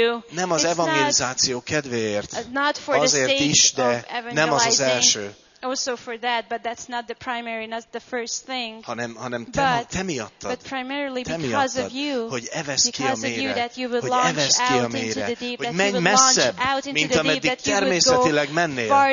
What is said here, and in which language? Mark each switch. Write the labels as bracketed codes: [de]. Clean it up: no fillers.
[hu] Nem az evangelizáció kedvéért, azért is, de nem az az első. [en] Also for that, but that's not the primary, not the first thing. [hu] Hanem te miattad. [en] But primarily because of you. [hu] Hogy evesz ki a mélyre. [en] Because of you that you would launch out into the deep. [hu] Hogy menj messzebb, mint ameddig természetileg mennél.